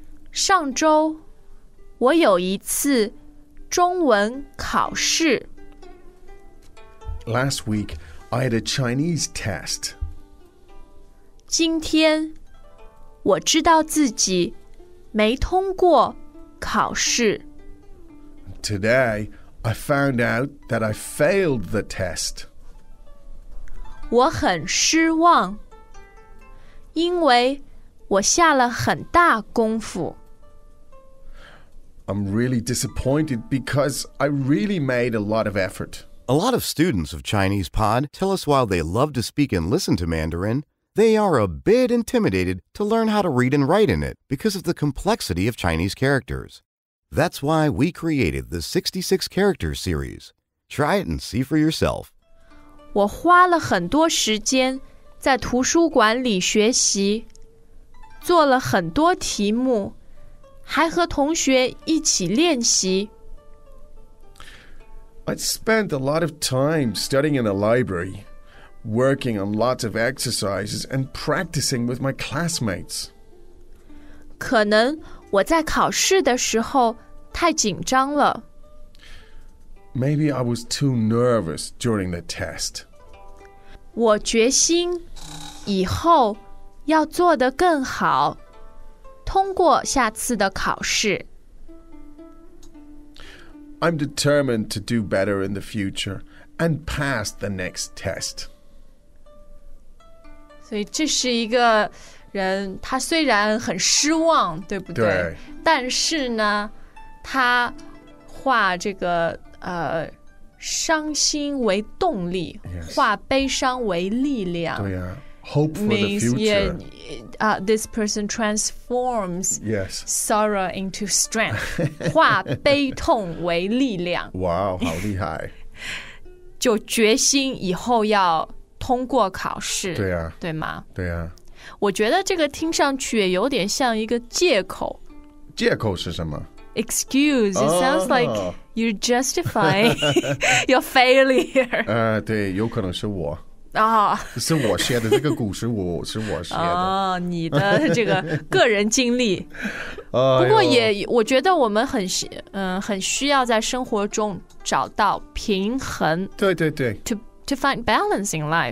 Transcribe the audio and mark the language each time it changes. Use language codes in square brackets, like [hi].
[zh] 上周我有一次中文考试。 [en] Last week, I had a Chinese test. [zh] 今天我知道自己没通过考试。 [en] Today, I found out that I failed the test. [zh] 我很失望，因为我下了很大功夫。 [en] I'm really disappointed because I really made a lot of effort. A lot of students of Chinese Pod tell us while they love to speak and listen to Mandarin, they are a bit intimidated to learn how to read and write in it because of the complexity of Chinese characters. That's why we created the 66 Characters series. Try it and see for yourself. [zh] 我花了很多时间在图书馆里学习，做了很多题目，还和同学一起练习。 [en] I spent a lot of time studying in the library, working on lots of exercises and practicing with my classmates. [zh] 可能我在考试的时候太紧张了。 [en] Maybe I was too nervous during the test. [zh] 我决心以后要做得更好。通过下次的考试。 [en] I'm determined to do better in the future and pass the next test. [zh] 所以这是一个人，他虽然很失望，对不对？对。但是呢，他化这个伤心为动力， [en] yes. [zh] 化悲伤为力量。对呀。 [en] Hope for means, the future. Yeah, this person transforms、 yes. sorrow into strength. [zh] 化悲痛为力量。 Wow, 好厉害。就决心以后要通过考试。对啊。对吗？对啊。我觉得这个听上去也有点像一个借口。借口是什么？ [en] Excuse, it sounds like you're justifying your failure. [zh] 对，有可能是我。啊、是我写的这个故事，我是我写的、你的这个个人经历、不过也我觉得我们 很需要在生活中找到平衡，对对对， [en] to find balance in life、